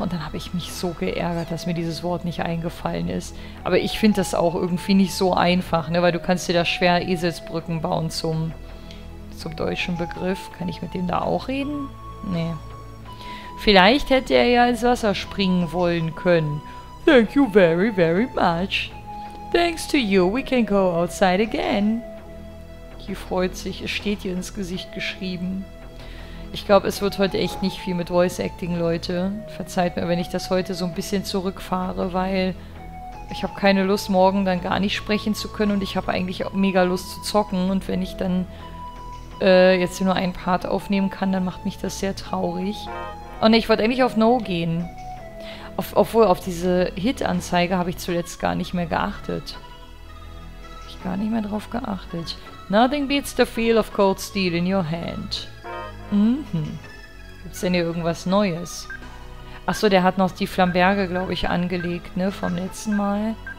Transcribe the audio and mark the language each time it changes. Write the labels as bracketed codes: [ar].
[de] Und dann habe ich mich so geärgert, dass mir dieses Wort nicht eingefallen ist. Aber ich finde das auch irgendwie nicht so einfach, ne? Weil du kannst dir da schwer Eselsbrücken bauen zum deutschen Begriff. Kann ich mit dem da auch reden? Nee. Vielleicht hätte er ja ins Wasser springen wollen können. [en] Thank you very, very much. Thanks to you, we can go outside again. [de] Die freut sich, es steht ihr ins Gesicht geschrieben. Ich glaube, es wird heute echt nicht viel mit Voice Acting, Leute. Verzeiht mir, wenn ich das heute so ein bisschen zurückfahre, weil ich habe keine Lust, morgen dann gar nicht sprechen zu können und ich habe eigentlich auch mega Lust zu zocken. Und wenn ich dann jetzt nur einen Part aufnehmen kann, dann macht mich das sehr traurig. Oh ne, ich wollte eigentlich auf No gehen. Obwohl, auf diese Hit-Anzeige habe ich zuletzt gar nicht mehr geachtet. Habe ich gar nicht mehr drauf geachtet. [en] Nothing beats the feel of cold steel in your hand. [de] Mhm. Gibt's denn hier irgendwas Neues? Achso, der hat noch die Flamberge, glaube ich, angelegt, ne? Vom letzten Mal.